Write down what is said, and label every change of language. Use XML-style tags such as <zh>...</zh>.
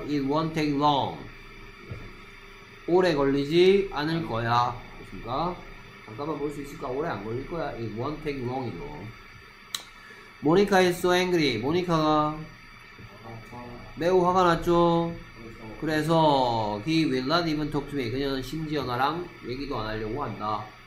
<en>It won't take long.</en> <ko>오래 걸리지 않을 거야. 그렇습니까? 잠깐만 볼 수 있을까? 오래 안 걸릴 거야.</ko> <en>It won't take long. 이거. Monica is so angry.</en> <ko>모니카가 매우 화가 났죠. 그래서</ko> <en>he will not even talk to me.</en> <ko>그녀는 심지어 나랑 얘기도 안 하려고 한다.</ko>